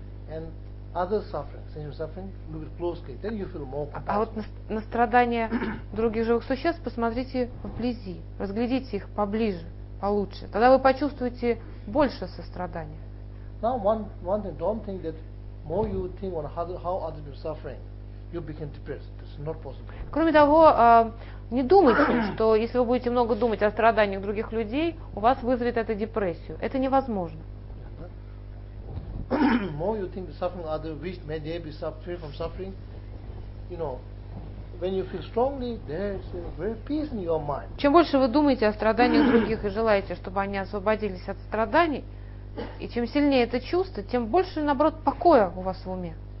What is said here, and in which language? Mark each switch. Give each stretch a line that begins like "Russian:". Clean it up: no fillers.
English: And other suffering, look closely, then you feel more compassion.
Russian: А вот на страдания других живых существ посмотрите вблизи, разглядите их поближе, получше. Тогда вы почувствуете больше сострадания.
English: Now one thing, don't think that more you think on how others are suffering, you become depressed. This is not possible.
Russian: Кроме того, не думайте, что если вы будете много думать о страданиях других людей, у вас вызовет это депрессию. Это невозможно.
English: More you think the suffering of others wish may they be free from suffering, you know, when you feel strongly, there is a very peace in your mind.
Russian: Чем больше вы думаете о страданиях других и желаете, чтобы они освободились от страданий, и чем сильнее это чувство, тем больше, наоборот, покоя у вас в уме.